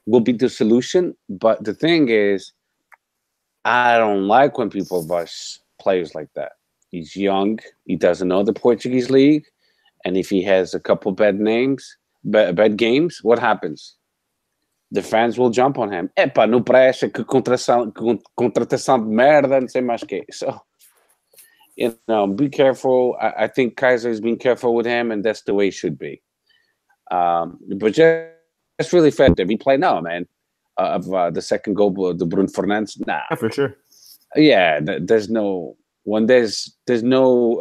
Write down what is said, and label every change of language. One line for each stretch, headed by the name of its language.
English: will be the solution. But the thing is, I don't like when people rush players like that. He's young. He doesn't know the Portuguese league. And if he has a couple bad names, bad games, what happens? The fans will jump on him.
Portuguese: Epa, no pressa, que contratação de merda, não sei mais que.
English: So, you know, be careful. I think Kaiser has been careful with him, and that's the way it should be. But just... That's really fair. Did we play? No, man. The second goal, the Bruno Fernandes? Nah. Yeah, for sure. Yeah, there's no... When there's no...